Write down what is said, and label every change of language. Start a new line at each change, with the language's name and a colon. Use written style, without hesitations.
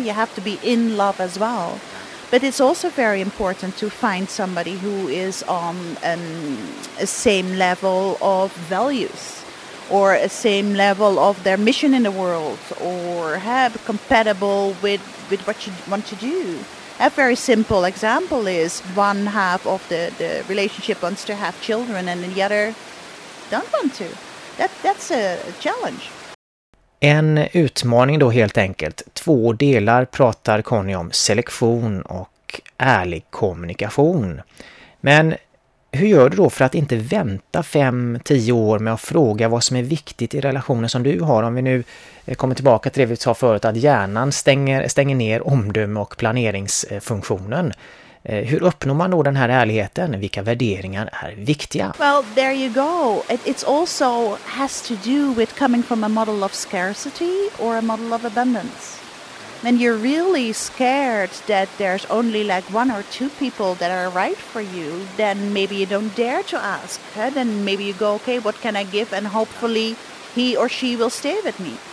English: You have to be in love as well. But it's also very important to find somebody who is on a same level of values, or a same level of their mission in the world, or have compatible with what you want to do. A very simple example is one half of the relationship wants to have children and the other don't want to. That's a challenge.
Swedish: En utmaning då, helt enkelt. Två delar pratar Conny om, selektion och ärlig kommunikation. Men hur gör du då för att inte vänta 5-10 år med att fråga vad som är viktigt i relationen som du har? Om vi nu kommer tillbaka till det vi sa förut, att hjärnan stänger ner omdöme och planeringsfunktionen. Hur uppnår man då den här ärligheten? Vilka värderingar är viktiga?
English: Well, there you go. It's also has to do with coming from a model of scarcity or a model of abundance. When you're really scared that there's only like one or two people that are right for you, then maybe you don't dare to ask. Huh? Then maybe you go, okay, what can I give? And hopefully he or she will stay with me.